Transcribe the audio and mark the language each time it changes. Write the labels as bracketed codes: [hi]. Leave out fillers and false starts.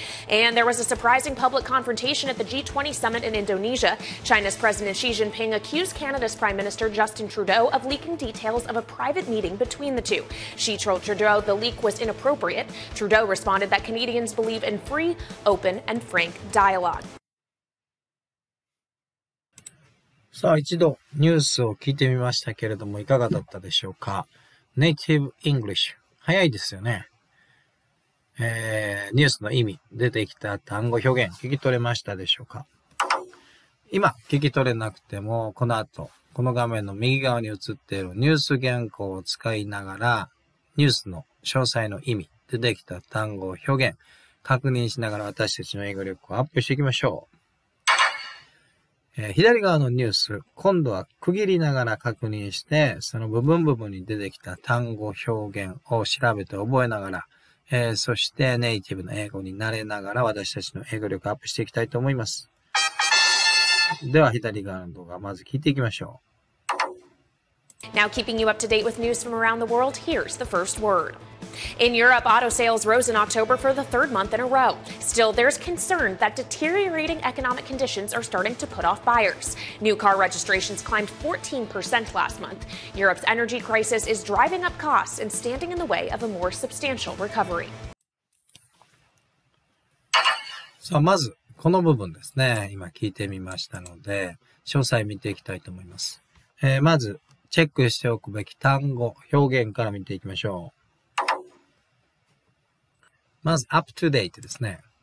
[en] And there was a surprising public confrontation at the G20 summit in Indonesia. China's President Xi Jinping accused Canada's Prime Minister Justin Trudeau of leaking details of a private meeting between the two. Xi told Trudeau the leak was inappropriate. Trudeau responded that Canadians believe in free, open, and frank dialogue. [ja] さあ、一度ニュースを聞いてみましたけれども、いかがだったでしょうか。ネイティブイングリッシュ、早いですよね。ニュースの意味、出てきた単語表現、聞き取れましたでしょうか。今聞き取れなくても、この後この画面の右側に映っているニュース原稿を使いながら、ニュースの詳細の意味、出てきた単語表現確認しながら、私たちの英語力をアップしていきましょう。左側のニュース、今度は区切りながら確認して、その部分部分に出てきた単語表現を調べて覚えながら、そしてネイティブの英語になれながら、私たちの英語力アップしていきたいと思います。では左側の動画まず聞いていきましょう。 [en] Now keeping you up to date with news from around the world, here's the first word. In Europe, auto sales rose in October for the third month in a row. Still, there's concern that deteriorating economic conditions are starting to put off buyers. New car registrations climbed 14% last month. Europe's energy crisis is driving up costs and standing in the way of a more substantial recovery. [ja] さあ、まずこの部分ですね。今聞いてみましたので、詳細見ていきたいと思います。まずチェックしておくべき単語、表現から見ていきましょう。まず、up to date ですね。